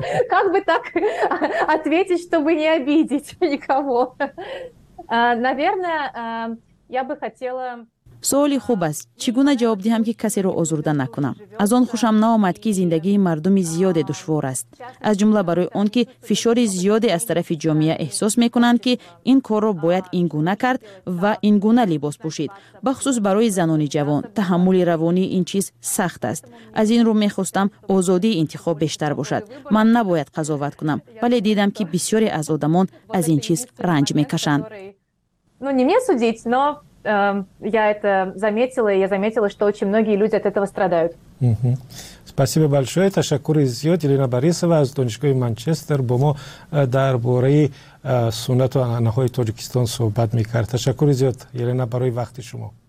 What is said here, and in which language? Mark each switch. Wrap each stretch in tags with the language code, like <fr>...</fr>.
<ru>Как бы так ответить, чтобы не обидеть никого? Наверное, я бы хотела...</ru> <tg>Суоли хуб аст. Чи гуна ҷавоб диҳам, ки касеро озурда накунам? Аз он хушам наомад, ки зиндагии мардуми зиёде душвор аст. Аз ҷумла барои он ки фишори зиёде аз тарафи ҷомеа эҳсос мекунанд, ки ин корро бояд ин гуна кард ва ин гуна либос пушид. Ба хусус барои занони ҷавон, таҳаммули равонии ин чиз сахт аст. Аз ин рӯ мехостам озодии интихоб бештар бошад. Ман набояд қазоват кунам, вале дидам, ки бисёре аз одамон аз ин чиз ранҷ мекашанд.</tg> <ru>Ну, не мне судить, но я это заметила, и я заметила, что очень многие люди от этого страдают. Спасибо большое.</ru> <tg>Это Шакур Изиот, Елена Борисова, из Донечкой Манчестер. Бомо дарбуреи сунату анахой Таджикистан собат микарта. Шакур Изиот, Елена Борисова, вахти шумо.</tg>